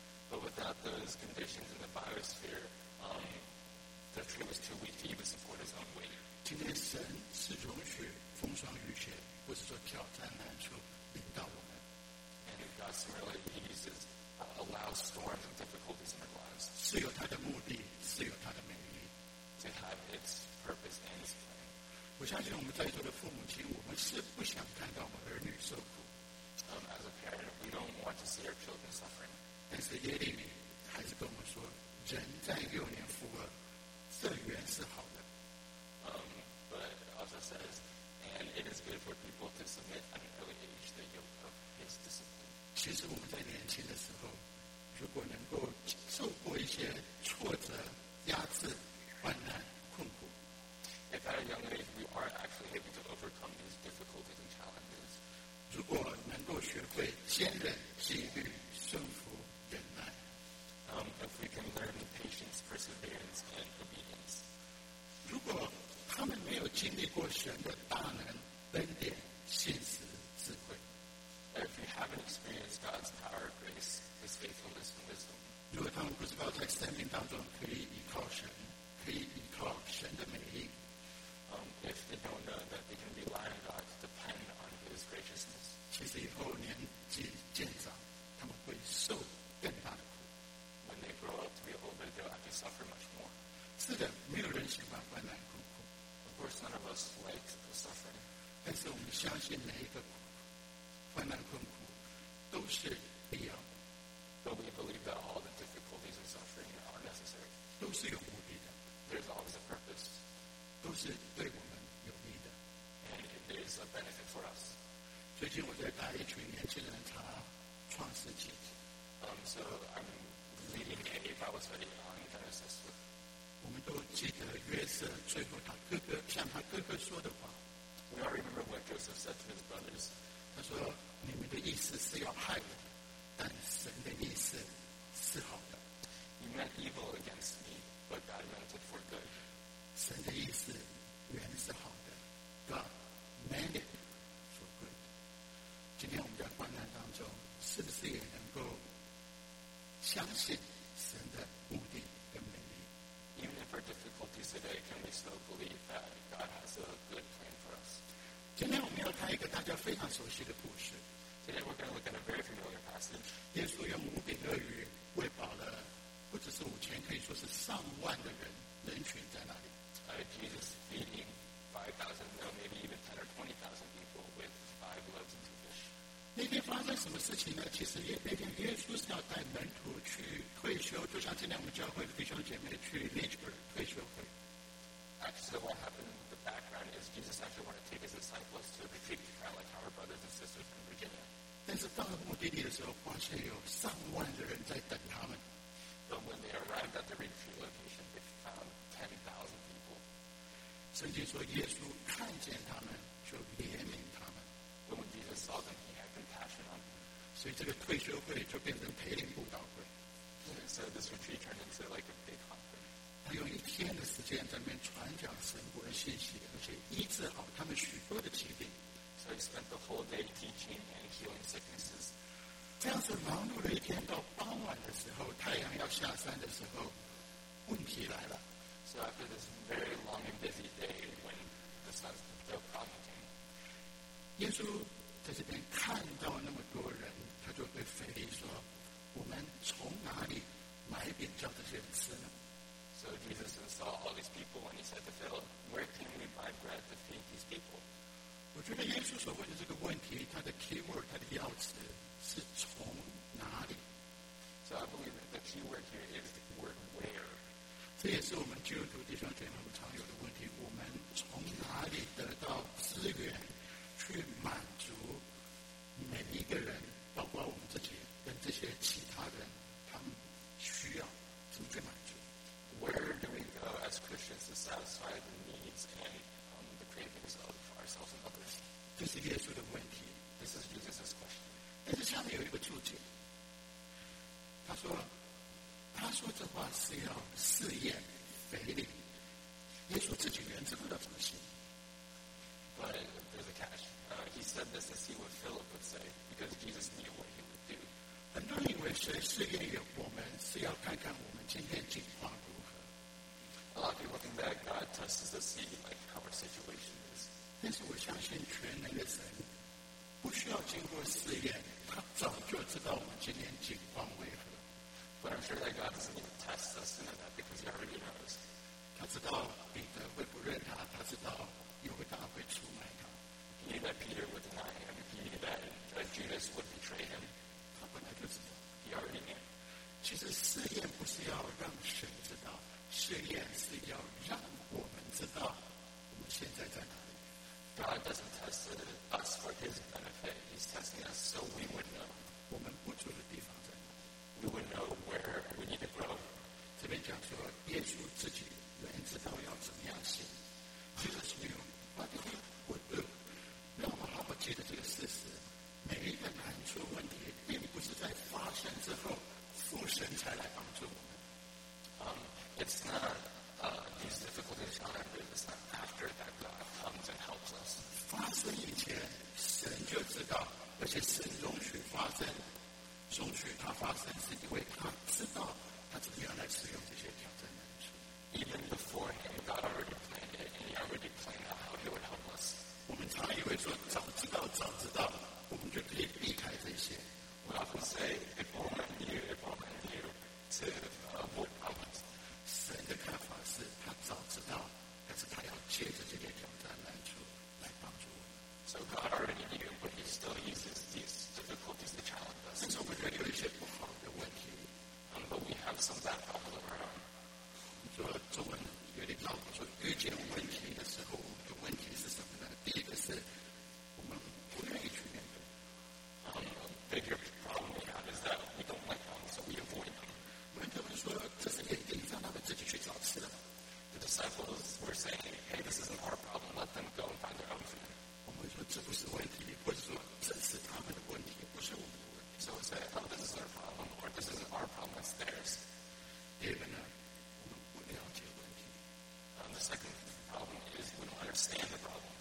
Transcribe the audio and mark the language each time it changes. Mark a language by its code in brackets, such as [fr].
[en] But without those conditions in the biosphere, the tree was too weak to even support its own weight. [zh] 今天神是容许风霜雨雪，或者说挑战难处临到我们。 [en] And God similarly uses allows storms and difficulties in our lives. [zh] 是有它的目的，是有它的美意。 [en] To have its purpose and its plan. [zh] 我相信我们在座的父母亲，我们是不想看到我们儿女受苦。 [en] As a parent, we don't want to see our children suffering. [zh] 但是耶利米还是跟我们说，人在幼年负轭，这原是好的。 [en] But also says, and it is good for people to submit at an early age the yoke of his discipline. [zh] 其实我们在年轻的时候，如果能够受过一些挫折、压制、患难、困苦。 [en] If at a young age we are actually able to overcome these difficulties and challenges, [zh] 如果能够学会坚韧、纪律、顺服、忍耐 [en] if we can learn patience, perseverance, and obedience, [zh] 如果他们没有经历过神的大能、恩典、信实、智慧 [en] if we haven't experienced God's power, grace, His faithfulness, and wisdom, [zh] 如果他们不知道在生命当中可以依靠神、可以依靠神的美意。 [en] If they don't know that they can rely on God to depend on His graciousness, [zh] 其实以后年纪渐长，他们会受更大的苦。 [en] When they grow up to be older, they'll have to suffer much more. [zh] 是的，没有人喜欢患难困苦。 [en] Of course, none of us like the suffering. [zh] 但是我们相信每一个苦，患难困苦都是必要的。 [en] But we believe that all the difficulties and suffering are necessary. [zh] 都是有目的的。 [en] There's always a purpose. [zh] 都是对我们有利的。 [en] And it is a benefit for us. [zh] 最近我在带一群年轻人查创世纪。 [en] So I'm leading a Bible study on Genesis. [zh] 我们都记得约瑟最后他哥哥向他哥哥说的话。 [en] We all remember what Joseph said to his brothers. [zh] 他说你们的意思是要害我，但神的意思是好的。 [en] You meant evil against me, but God meant it for good. [zh] 神的意思原是好的 [en] God meant it for good [zh] 今天我们在患难当中是不是也能够相信神的目的跟美丽 [en] Even if our difficulties today can we still believe that God has a good plan for us [zh] 今天我们要看一个大家非常熟悉的故事 [en] Today we're going to look at a very familiar passage [zh] 耶稣用五饼二鱼喂饱了不只是五千可以说是上万的人人群在那里 [en] Jesus feeding 5,000, no, maybe even 10 or 20,000 people with 5 loaves and 2 fish. [zh] 那天发生什么事情呢？其实那天耶稣是要带门徒去退休，就像今天我们教会弟兄姐妹去 Lynchburg 退休会。 [en] Actually, what happened in the background is Jesus actually wanted to take his disciples to a retreat, kind of like our brothers and sisters in Virginia. [zh] 但是到了目的地的时候，发现有上万的人在等他们。 [en] But when they arrived at the retreat location, they found 10,000people. [zh] 圣经说耶稣看见他们就怜悯他们 [en] When Jesus saw them, he had compassion on them. [zh] 所以这个退休会就变成陪灵布道会 [en] So this retreat turned into like a big conference. [zh] 他用一天的时间在那边传讲神国的信息而且医治好他们许多的疾病 [en] So he spent the whole day teaching and healing sicknesses. [zh] 这样子忙碌的一天到傍晚的时候太阳要下山的时候问题来了 [en] So after this very long and busy day when the sun's still prominent, [zh] 耶稣在这边看到那么多人，他就对腓力说：“我们从哪里买饼叫这些人吃呢？” [en] So Jesus saw all these people and he said to Philip, "Where can we buy bread to feed these people?" [zh] 我觉得耶稣所问的这个问题，他的 keyword， 他的要词是从哪里。 [en] So I believe that the keyword here is the word where. [zh] 这也是我们基督徒弟兄姐妹们常有的问题：我们从哪里得到资源、一个人，包括我们这些跟这些其他人，他们需要怎么去满足。 [en] Where do we go as Christians to satisfy the needs and、the cravings of ourselves and others? [zh] 这是耶稣的问题。 [en] This is Jesus' question. [zh] 但是下面有一个注解，他说，他说这话是要试验腓力。耶稣自己原则不到什么心。 [en] But there's a catch. He said this to see what Philip would say, because Jesus knew what he would do. [zh] 很多人以为是试验我们，是要看看我们今天情况。 [en] A lot of people think that God tests us to see like, how our situation is. [zh] 但是我相信全能的神不需要经过试验，他早就知道我们今天情况为何。 [en] But I'm sure that God doesn't need to test us to know that because he already knows. [zh] 他知道彼得会不认他，他知道犹大会出卖他。 [en] He knew that Peter would deny him. He knew that, that Judas would betray him. [zh] 他本来就知道。 [en] He already knew. [zh] 其实试验不是要让神知道。试验是要让我们知道我们现在在哪里。 [en] God doesn't test us for His benefit. He's testing us so we would know. [zh] 我们不足的地方在哪里。 [en] We would know where we need to grow. [zh] 这边讲说，耶稣自己原知道要怎么样行。 [en] Jesus knew what He would do. [zh] 让我们好好记得这个事实：每一个难处问题，并不是在发生之后，父神才来帮助我们。 [en] It's not these difficulties on our business, it's not after that God comes and helps us. [zh] 发生以前，神就知道，而且神容许发生，容许它发生，是因为他知道他怎么样来使用这些挑战难处。 [en] Even beforehand, God already planned it, and He already planned out how He would help us. [zh] 我们常以为说，早知道，早知道，我们就可以避开这些。 [en] We often say, if only I knew, if only I knew, to avoid problems. [zh] 神的看法是他早知道，但是他要借着这些挑战难处来帮助我们。 [en] So God already knew, but He still uses these difficulties to challenge us. [zh] 但是我们仍有一些不好的问题。 [en] But we have some bad problems of our own. [zh] 说中文有点绕，说遇见问题的时候，我们的问题是什么呢？第一个是我们不愿意去面对。 [en] A bigger problem we have is that we don't like them, so we avoid them. [zh] 门徒们说：“这是眼睛，让他们自己去找吃的。” [en] The disciples were saying, "Hey, this isn't our problem. Let them go and find their own food." [zh] 我们说这不是问题，或者说这是他们的问题，不是我们的问题。 [en] So we say, "Oh, this is our problem, or this isn't our problem. It's theirs." [zh] 第二个呢，我们不了解问题。 [en] The second problem is we don't understand the problem.